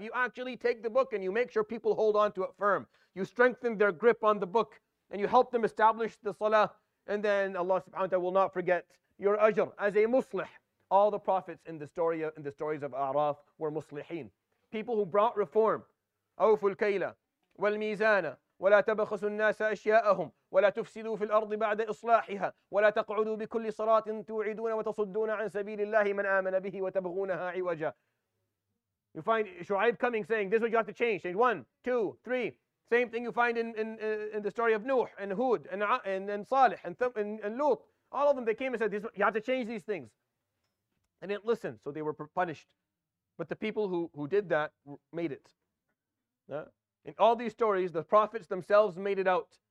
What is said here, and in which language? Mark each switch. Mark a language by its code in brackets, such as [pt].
[en] You actually take the book and you make sure people hold on to it firm. You strengthen their grip on the book and you help them establish the salah. And then Allah subhanahu wa ta'ala will not forget your ajr as a muslih. All the prophets in the stories of A'raf were muslihin. People who brought reform. [ar] Awful kayla wal mizana. وَلَا تَبَخَسُوا النَّاسَ أَشْيَاءَهُمْ وَلَا تُفْسِدُوا فِي الْأَرْضِ بَعْدَ إِصْلَاحِهَا وَلَا تَقْعُدُوا بِكُلِّ صَلَاةٍ تُوْعِدُونَ وَتَصُدُّونَ عَنْ سَبِيلِ اللَّهِ مَنْ آمَنَ بِهِ وَتَبْغُونَهَا عِوَجًا. [en] You find Shu'aib coming saying, this is what you have to change. Change one, two, three. Same thing you find in the story of Nuh and Hud and Salih and Lut. All of them, they came and said, this, you have to change these things. And they didn't listen, so they were punished. But the people who did that made it. In all these stories, the prophets themselves made it out.